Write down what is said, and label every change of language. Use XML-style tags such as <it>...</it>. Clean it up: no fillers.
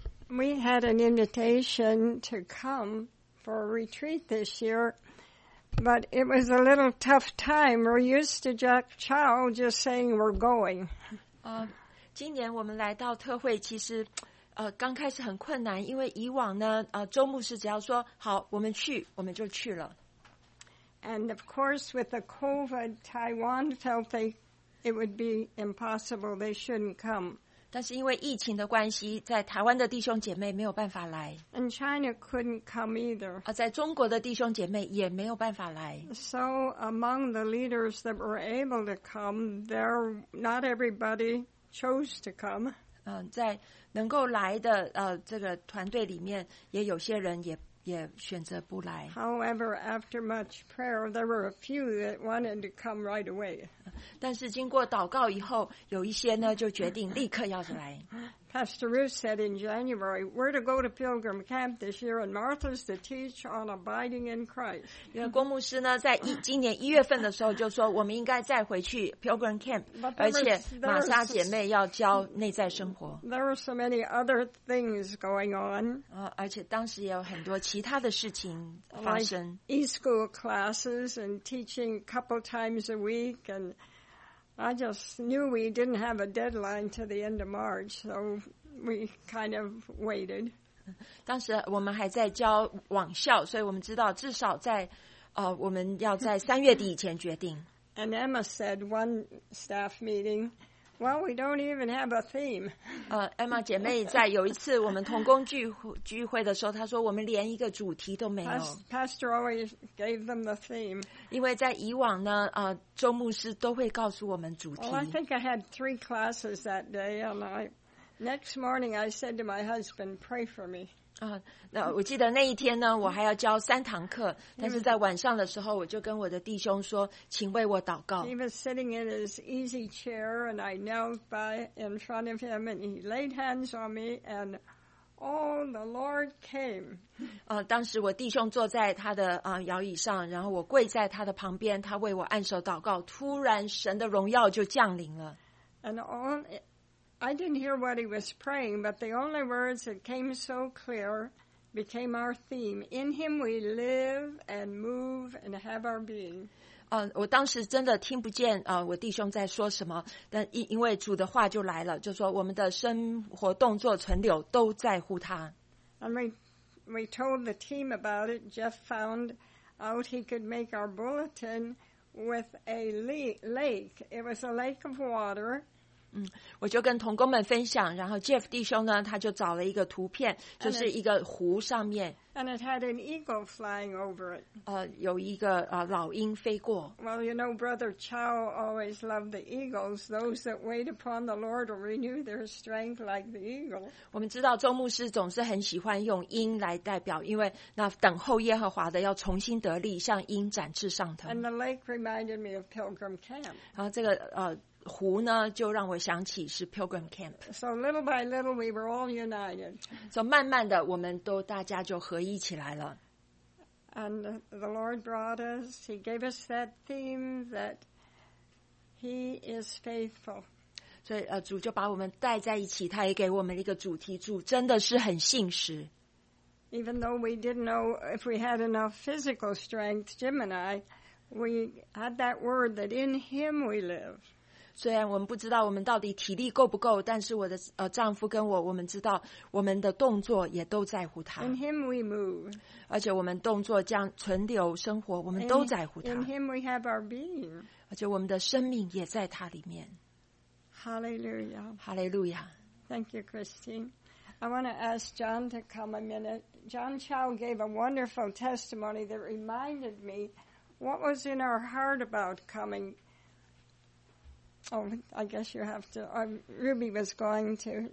<en>We had an invitation to come for a retreat this year, but it was a little tough time. We're used to Jack Chow just saying we're going.</en> <zh>今年我们来到特会，其实刚开始很困难，因为以往呢，周牧师只要说好，我们去，我们就去了。</zh> <en>And of course, with the COVID, Taiwan felt it would be impossible. They shouldn't come.</en> <zh>但是因为疫情的关系，在台湾的弟兄姐妹没有办法来。</zh> <en>And China couldn't come either.</en> <zh>在中国的弟兄姐妹也没有办法来。</zh> <en>So among the leaders that were able to come, not everybody chose to come.</en> <zh>在能够来的这个团队里面，也有些人也选择不来。</zh> <en>However, after much prayer, there were a few that wanted to come right away.</en> <zh>但是经过祷告以后，有一些呢就决定立刻要来。</zh> <en>Pastor Ruth said in January, "We're to go to Pilgrim Camp this year, and Martha's to teach on abiding in Christ."</en> <zh>因为郭牧师呢，在今年一月份的时候就说，我们应该再回去 Pilgrim Camp， 而且玛莎姐妹要教内在生活。</zh> <en>There were so many other things going on.</en> <zh>而且当时也有很多其他的事情发生。</zh> <en>E-school classes and teaching a couple times a week and. I just knew we didn't have a deadline to the end of March, so we kind of waited.</en> <zh>当时我们还在教网校，所以我们知道至少在我们要在三月底以前决定。</zh> <en>And Emma said one staff meeting, "Well, we don't even have a theme."</en> <zh>Emma 姐妹在有一次我们同工聚会的时候，她说我们连一个主题都没有。</zh> <en>Pastor always gave them the theme.</en> <zh>因为在以往呢，周牧师都会告诉我们主题。</zh> <en>Well, I think I had three classes that day, and next morning I said to my husband, "Pray for me."</en> <zh>我记得那一天呢，我还要教三堂课，但是在晚上的时候，我就跟我的弟兄说，请为我祷告。</zh> <en>He was sitting in his easy chair, and I knelt by in front of him, and he laid hands on me, and oh, the Lord came.</en> <zh>当时我弟兄坐在他的摇椅上，然后我跪在他的旁边，他为我按手祷告，突然神的荣耀就降临了。</zh> <en>And all. I didn't hear what he was praying, but the only words that came so clear became our theme. In him we live and move and have our being.</en> <zh>我当时真的听不见我弟兄在说什么，但因为主的话就来了，就说我们的生活动作存留都在乎他。</zh> <en>And we told the team about it. Jeff found out he could make our bulletin with a lake. It was a lake of water.</en> <zh>我就跟同工们分享，然后 Jeff 弟兄呢，他就找了一个图片，就是一个湖上面。</zh> <en>And it had an eagle flying over it.</en> <zh>有一个老鹰飞过。</zh> <en>Well, you know, Brother Chow always loved the eagles. Those that wait upon the Lord will renew their strength like the eagle.</en> <zh>我们知道周牧师总是很喜欢用鹰来代表，因为那等候耶和华的要重新得力，像鹰展翅上腾。</zh> <en>And the lake reminded me of Pilgrim Camp.</en> <zh>然后这个湖呢，就让我想起是 Pilgrim Camp.</zh> <en>So little by little, we were all united.</en> <zh>So 慢慢的，我们都大家就合一起来了。</zh> <en>And the Lord brought us. He gave us that theme that He is faithful.</en> <zh>所以主就把我们带在一起，他也给我们一个主题，主真的是很信实。</zh> <en>Even though we didn't know if we had enough physical strength, Jim and I, we had that word that in Him we live.</en> <zh>虽然我们不知道我们到底体力够不够，但是我的丈夫跟我们知道我们的动作也都在乎他。</zh> <en>In him we move.</en> <zh>而且我们动作这样存留生活，我们都在乎他。</zh> <en>In him we have our being.</en> <zh>而且我们的生命也在他里面。</zh> <en>Hallelujah. Hallelujah. Thank you, Christine. I want to ask John to come a minute. John Chow gave a wonderful testimony that reminded me what was in our heart about coming. Oh, I guess you have to. Ruby was going to.</en>